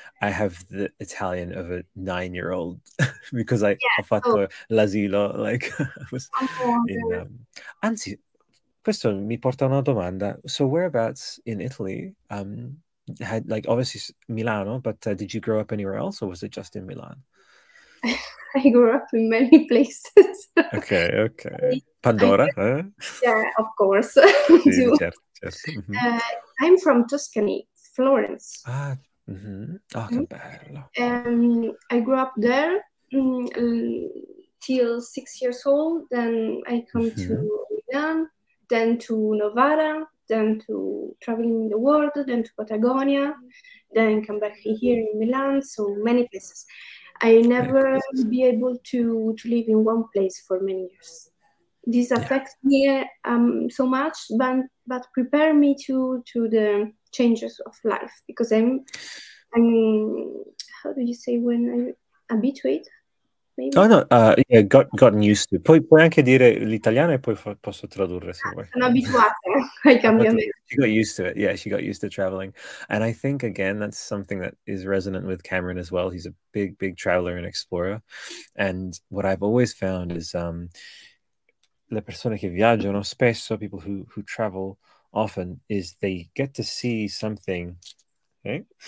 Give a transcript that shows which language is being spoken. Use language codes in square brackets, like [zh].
[en] I have the Italian of a 9-year-old because [it] ho fatto l'asilo. Like, anzi, questo mi porta a una domanda. [en] So, whereabouts in Italy? Had like obviously Milano, but did you grow up anywhere else, or was it just in Milan? I grew up in many places. Okay. Pandora, eh? Yeah, of course, [it] Sì, [en] too. [it] certo. [en] I'm from Tuscany, Florence. [it] Oh, che bello. [en] I grew up there till 6 years old. Then I come to Milan, then to Novara, then to traveling the world, then to Patagonia, then come back here in Milan. So many places. I never be able to live in one place for many years. This affects me so much, but prepare me to the changes of life because I'm how do you say when I abituate, Oh, maybe. no, yeah, gotten used to. [it] Puoi anche dire l'italiano e poi posso tradurre se vuoi. Sono abituata ai cambiamenti. [en] She got used to it. Yeah, she got used to traveling. And I think, again, that's something that is resonant with Cameron as well. He's a big traveler and explorer. And what I've always found is [it] le persone che viaggiano spesso, [en] people who travel often, is they get to see something. Okay.